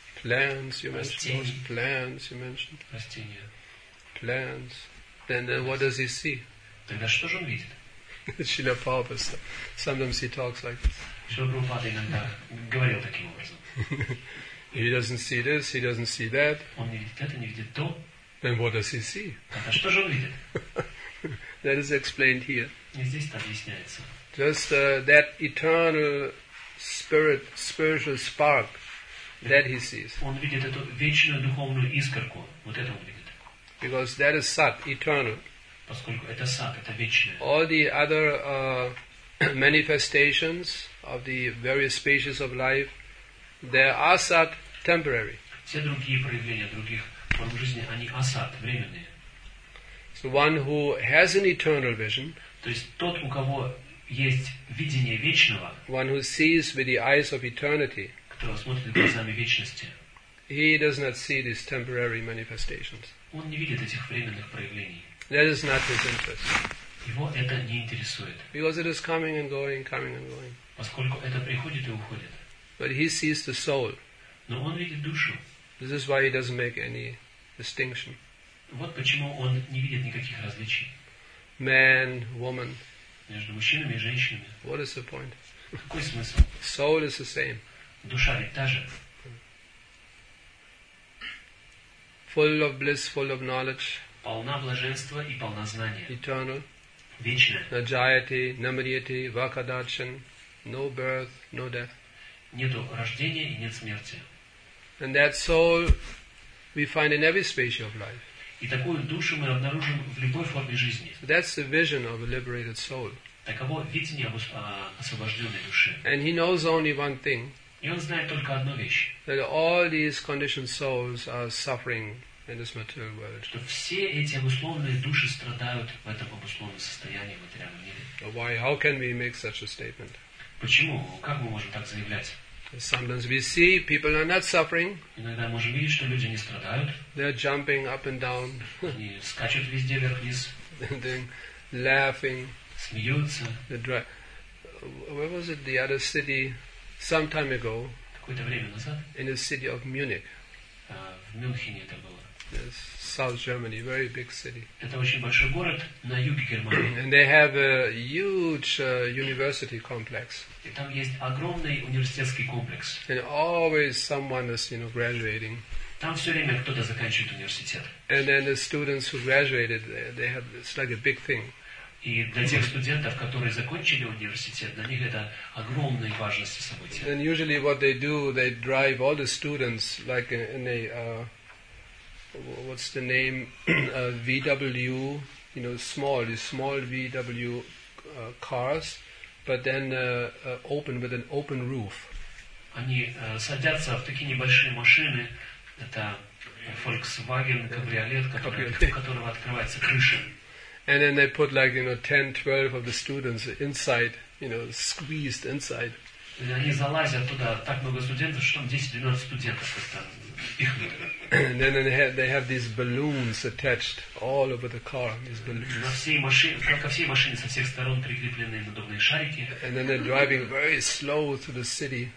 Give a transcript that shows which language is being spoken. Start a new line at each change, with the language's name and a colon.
English: Plants, you mentioned. Plants, you mentioned.
Russian: Растения.
English: Plants. Then what does he see?
Russian: Тогда что же он видит?
English: Шрила Прабхупада. Sometimes he talks like this.
Russian: Шрила Прабхупада иногда говорил таким образом.
English: He doesn't see this, he doesn't see that.
Russian: Он не видит это, не видит то.
English: Then what does he see?
Russian: Тогда что же он видит?
English: That is explained here.
Russian: И здесь это объясняется.
English: Just that eternal spirit, spiritual spark that he sees.
Russian: Он видит эту вечную духовную искорку. Вот это он видит.
English: Because that is Sat, eternal.
Russian: Поскольку это Сат, это вечное.
English: All the other manifestations of the various species of life, they are Sat, temporary.
Russian: Все другие проявления других форм жизни, они Асат, временные.
English: So one who has an eternal vision,
Russian: то есть тот, у кого есть видение вечного,
English: one who sees with the eyes of eternity,
Russian: кто смотрит глазами вечности.
English: He does not see these temporary manifestations.
Russian: Он не видит этих временных проявлений.
English: That is not his interest.
Russian: Его это не интересует.
English: Because it is coming and going, coming and going.
Russian: Поскольку это приходит и уходит.
English: But he sees the soul.
Russian: Но он видит душу.
English: This is why he doesn't make any distinction.
Russian: Вот почему он не видит никаких различий.
English: Man, woman.
Russian: Между мужчинами и женщинами.
English: What is the point?
Russian: Какой смысл?
English: Soul is the same.
Russian: Душа ведь та же.
English: Full of bliss, full of knowledge.
Russian: Полна блаженства и полна знания.
English: Eternal.
Russian: Вечная.
Sanskrit: Najayati, namriyati, vakadarshan.
English: No birth, no death.
Russian: Нету рождения и нет смерти.
English: And that soul we find in every species of life.
Russian: И такую душу мы обнаружим в любой форме жизни.
English: That's the vision of a liberated soul.
Russian: Таково видение освобожденной души.
English: And he knows only one thing.
Russian: И он знает только одну вещь.
English: That all these conditioned souls are suffering in this material world.
Russian: Что все эти обусловленные души страдают в этом обусловленном состоянии в материальном мире.
English: Why? How can we make such a statement?
Russian: Почему? Как мы можем так заявлять?
English: Sometimes we see people are not suffering.
Russian: Иногда мы можем видеть, что люди не страдают.
English: They're jumping up and down.
Russian: Они скачут везде вверх-вниз.
English: They're laughing.
Russian: Смеются.
English: Where was it? The other city, some time ago.
Russian: Какое-то время назад.
English: In the city of Munich.
Russian: В Мюнхене это было.
English: Yes, South Germany, very big city.
Russian: Это очень большой город на юге Германии.
English: And they have a huge university complex.
Russian: И там есть огромный университетский комплекс.
English: And always someone is, you know, graduating.
Russian: Там все время кто-то заканчивает университет.
English: And then the students who graduated, they have, it's like a big thing.
Russian: И для тех студентов, которые закончили университет, для них это огромной важности события.
English: And usually what they do, they drive all the students like in a what's the name, VW, you know, small VW cars. But then open with an open roof.
Russian: Они садятся в такие небольшие машины. Это Volkswagen кабриолет, которого открывается крыша.
English: And then they put like, you know, 10-12 of the students inside, you know, squeezed inside.
Russian: Они залазят туда так много студентов, что там 10-12 студентов как-то впихнут.
English: And then they have these balloons attached all over the car. These balloons.
Russian: Ко всей машине со всех сторон прикреплены надувные шарики.
English: And then they're driving very slow through the city.